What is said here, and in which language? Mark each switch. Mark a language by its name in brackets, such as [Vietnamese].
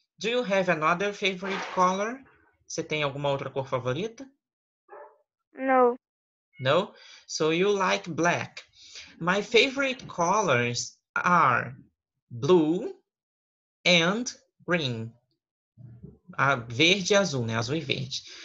[English] Do you have another favorite color? [Portuguese] Você tem alguma outra cor favorita? [English] No. No? So you like black. My favorite colors are blue and green. [Portuguese] Verde e azul, né? Azul e verde.